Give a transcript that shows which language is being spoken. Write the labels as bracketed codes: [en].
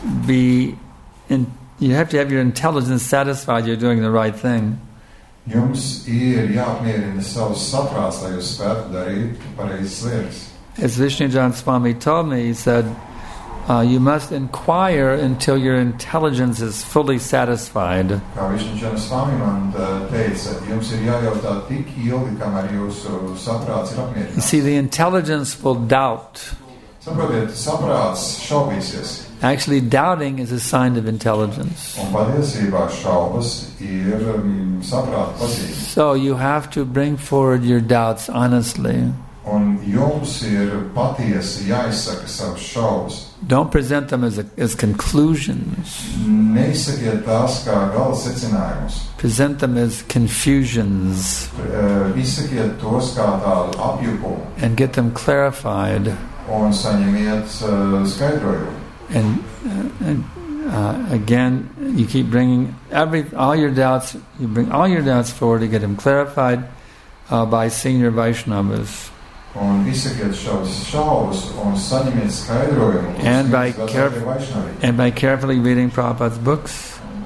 [en] You have to have your intelligence satisfied you're doing the right thing. [lv] Jums ir jāapmierina savs saprāts, lai jūs spētu darīt pareizas lietas. [en] As Vishnujan Swami told me, he said, you must inquire until your intelligence is fully satisfied. [lv] Kā Vishnujan Swami man teica, jums ir jājautā tik ilgi, kamēr jūsu saprāts ir apmierināts. [en] You see, the intelligence will doubt. [lv] Saprotiet, saprāts šaubīsies. [en] Actually, doubting is a sign of intelligence. [lv] Un patiesībā šaubas ir saprāta pazīme. [en] So you have to bring forward your doubts honestly. [lv] Un jums ir patiesi jāizsaka savas šaubas. [en] Don't present them as conclusions. [lv] Neizsakiet tās kā gala secinājumus. [en] Present them as confusions. [lv] Izsakiet tos kā tādu apjukumu. [en] And get them clarified. [lv] un saņemiet skaidrojumu. [en] And again, you keep bringing all your doubts forward to get them clarified by senior Vaishnavas. [lv] Un izsakiet šos šaubas un saņemiet skaidrojumu [en] and by carefully reading Prabhupada's books.